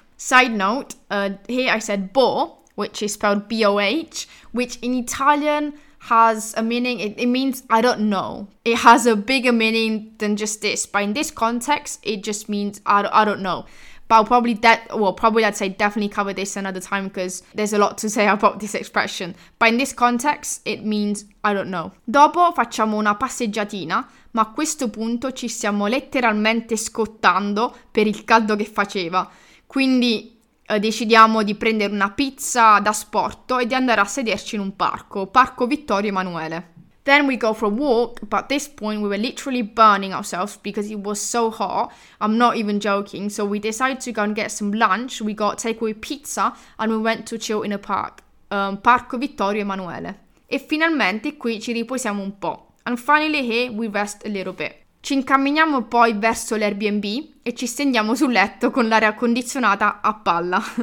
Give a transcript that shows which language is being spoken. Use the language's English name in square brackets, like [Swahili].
[English] Side note, here I said bo, which is spelled B-O-H, which in Italian has a meaning, it means I don't know. It has a bigger meaning than just this, but in this context it just means I don't know. But I'd say definitely cover this another time because there's a lot to say about this expression, but in this context it means I don't know. [Italian] Dopo facciamo una passeggiatina, ma a questo punto ci stiamo letteralmente scottando per il caldo che faceva, quindi decidiamo di prendere una pizza da sporto e di andare a sederci in un parco, Parco Vittorio Emanuele. [English] Then we go for a walk, but at this point we were literally burning ourselves because it was so hot, I'm not even joking, so we decided to go and get some lunch, we got takeaway pizza and we went to chill in a park, Parco Vittorio Emanuele. [Italian] E finalmente qui ci riposiamo un po', [English] and finally here we rest a little bit. [Italian] Ci incamminiamo poi verso l'Airbnb e ci stendiamo sul letto con l'aria condizionata a palla.